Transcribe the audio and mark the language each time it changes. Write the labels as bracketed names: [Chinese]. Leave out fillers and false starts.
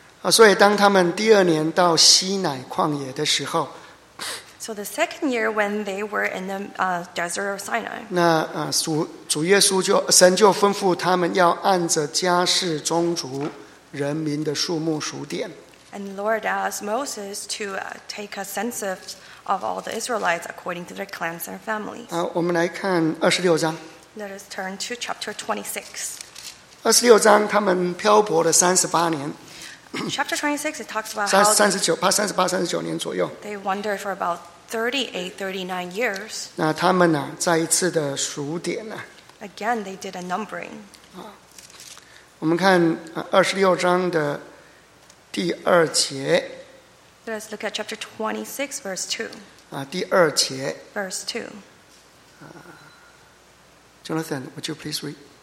[Chinese] 所以当他们第二年到西乃旷野的时候 [English] So the second year when they were in the desert of Sinai [Chinese] 那主耶稣就神就吩咐他们要按着家世宗族人民的数目数点 [English] And Lord asked Moses to take a census of all the Israelites according to their clans and families [Chinese] 我们来看二十六章 [English] Let us turn to chapter 26 [Chinese] 二十六章他们漂泊了三十八年 [English] Chapter 26, it talks about how [Chinese] 38-39 年左右 [English] they wandered for about 38-39 years. [Chinese] 那他们呢，再一次的数点呢 [English] Again, they did a numbering. [Chinese] 我们看26章的第二节 [English] Let us look at chapter 26, verse 2. [Chinese] 第二节 [English] Verse 2. Jonathan, would you please read?